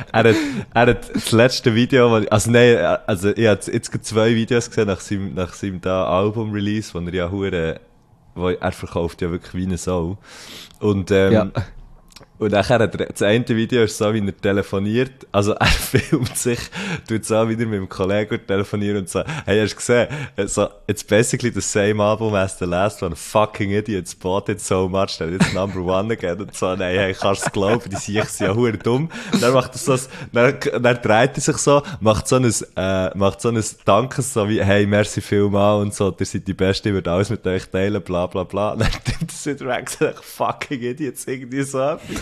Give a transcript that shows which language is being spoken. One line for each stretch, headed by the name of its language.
German: Er hat das letzte Video, ich habe jetzt zwei Videos gesehen nach seinem da Album-Release, wo er ja huren, wo er verkauft ja wirklich wie eine Sau. Und Und nachher das eine Video ist so, wie er telefoniert. Also er filmt sich, tut so wieder mit dem Kollegen telefonieren und so. Hey, hast du gesehen?
English: So, it's basically the same album as the last one. Fucking idiot, bought it so much.
German: Dann jetzt
English: number one again.
German: Und so, nein, hey, kannst du glauben? Die sehe ich ja huere dumm. Dann macht er so, dann dreht er sich so, macht so ein Danke, so wie, hey, merci vielmal und so. Ihr seid die Beste, ich würde alles mit euch teilen, bla, bla, bla. Und dann tut er wieder weg, gesagt,
English: fucking idiot,
German: irgendwie so.